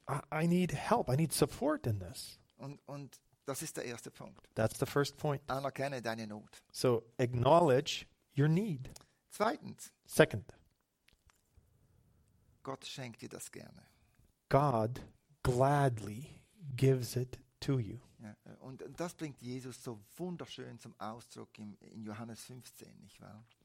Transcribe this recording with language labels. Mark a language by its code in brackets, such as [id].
[en] I need help. I need support in this. [de] Und das ist der erste Punkt. [en] That's the first point. [de] Anerkenne deine Not. [en] So acknowledge your need. [de] Zweitens. [en] Second. [de] Gott schenkt dir das gerne. [en] God gladly gives it to you. [de] Ja, und das bringt Jesus so wunderschön zum Ausdruck in Johannes 15, nicht wahr?